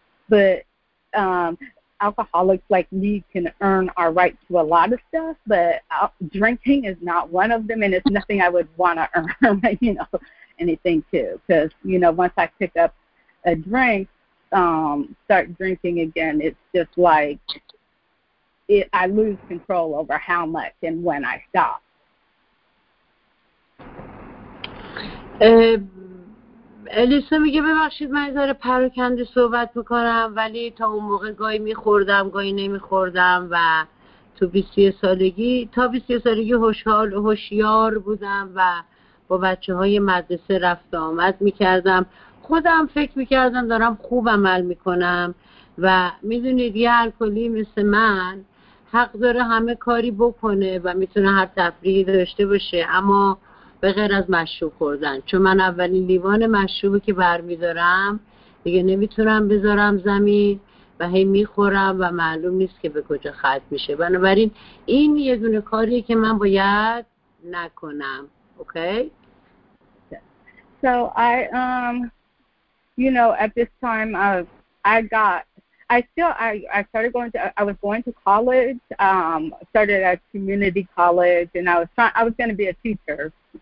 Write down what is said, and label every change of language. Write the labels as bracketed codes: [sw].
[en] But alcoholics like me can earn our right to a lot of stuff, but drinking is not one of them, and it's nothing I would want to earn, you know, anything to. Because, you know, once I pick up a drink, start drinking again, it's just like, it, I lose control over how much and when I stop. [fa] الیسا میگه ببخشید من داره پراکنده صحبت میکنم، ولی تا اون موقع گاهی میخوردم گاهی نمیخوردم و تو 23 سالگی تا 23 سالگی هوشیار بودم و با بچه های مدرسه رفت آمد میکردم، خودم فکر میکردم دارم خوب عمل میکنم. و میدونید یه الکلی مثل من حق داره همه کاری بکنه و میتونه هر تفریحی داشته باشه، اما به غیر از مشروب خوردن، چون من اولین لیوان مشروبی که برمیدارم دیگه نمیتونم بذارم زمین و هی میخورم و معلوم نیست که به کجا ختم میشه. بنابراین این یه دونه کاری که من باید نکنم. [en] Okay? So I you know at this time I started going to college, started at community college, and I was going to be a teacher.